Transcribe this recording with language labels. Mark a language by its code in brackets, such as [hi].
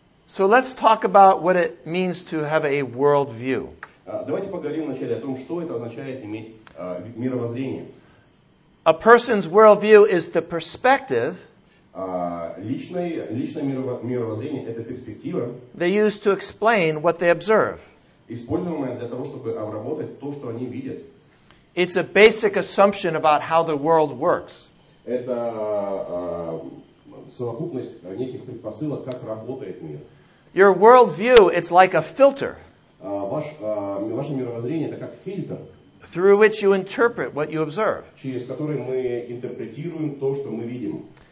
[en] So let's talk about what it means to have a world view. [ru] Давайте поговорим вначале о том, что это означает иметь мировоззрение. [en] A person's world view is the perspective. [ru] Личное мировоззрение это перспектива. [en] They use to explain what they observe. [ru] Используемое для того, чтобы обработать то, что они видят. [en] It's a basic assumption about how the world works. [ru] Это совокупность неких предпосылок, как работает мир. [en] Your worldview, it's like a filter. [ru] Ваше мировоззрение это как фильтр. [en] Through which you interpret what you observe. [ru] Через который мы интерпретируем то, что мы видим.